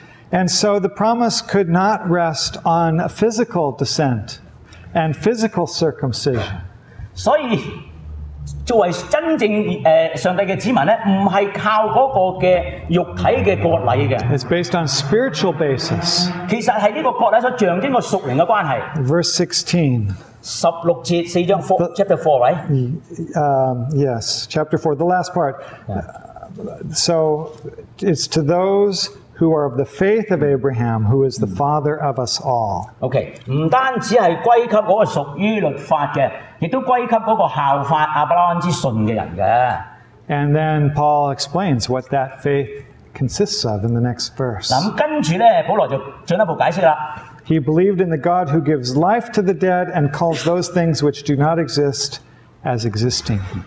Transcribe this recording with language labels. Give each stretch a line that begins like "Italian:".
English: And so the promise could not rest on a physical descent and physical circumcision.
Chinese: 所以作為真正上帝的子民呢,不是靠那個肉體的割禮的,
English: it's based on spiritual basis.
Chinese: 其實是這個割禮所象徵的屬靈的關係。
English: Verse 16.
Chinese: 16节,4章4,
English: chapter 4, right? Yes, chapter 4, the last part. Yeah. So it's to those who are of the faith of Abraham, who is the father of us all.
Chinese: Okay,不单只是归给那个属于律法的,也都归给那个效法亚伯拉罕之信的人的。And
English: then Paul explains what that faith consists of in the next verse.
Chinese: 那么跟着呢,保罗就进一步解释了。
English: He believed in the God who gives life to the dead and calls those things which do not exist as existing.